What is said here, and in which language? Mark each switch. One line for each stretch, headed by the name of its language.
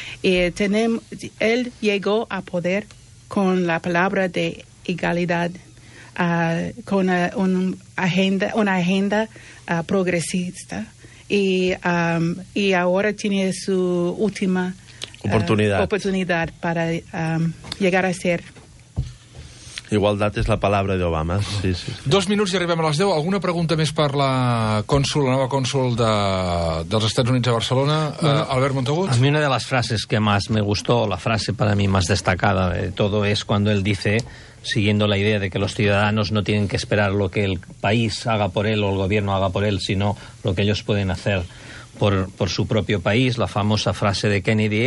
Spanish: Y él llegó a poder con la palabra de igualdad, con una agenda progresista, y ahora tiene su última oportunidad para llegar a ser. Igualdad es la palabra de Obama, sí, sí.
Catalan: Dos minuts i arribem a les 10. Alguna pregunta més per la cònsul, la nova cònsul de, dels Estats Units a Barcelona, Albert Montagut?
Spanish: A mi una de las frases que más me gustó, la frase para mí más destacada de todo, es cuando él dice, siguiendo la idea de que los ciudadanos no tienen que esperar lo que el país haga por él o el gobierno haga por él, sino lo que ellos pueden hacer por su propio país, la famosa frase de Kennedy.